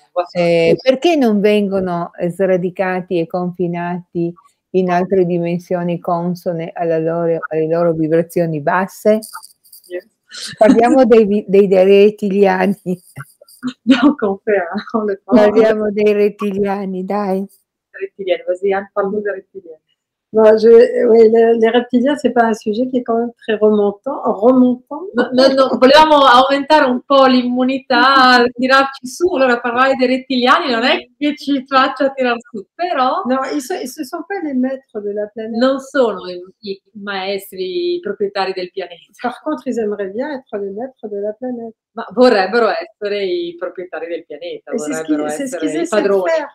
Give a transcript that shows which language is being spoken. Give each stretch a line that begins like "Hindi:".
Italian: Perché non vengono sradicati e confinati in altre dimensioni consone alle loro vibrazioni basse? Yeah. Parliamo dei rettiliani. Non confermo le parole. Parliamo dei rettiliani, dai. Rettiliani,
French: vas-y,
Italian: parlo dei rettiliani.
French: No, les reptiliens, c'est pas un sujet qui est quand même très remontant.
Italian: No, volevamo aumentare un po' l'immunità, tirarci su. Allora, parlare dei rettiliani non è che ci faccia tirare su, però.
French: No, ce ne sont pas les maîtres de la planète.
Italian: Non sono i maestri, i proprietari del pianeta.
French: Par contre, ils aimeraient bien être les maîtres de la planète.
Italian: Ma vorrebbero essere i proprietari del pianeta, vorrebbero essere i padroni.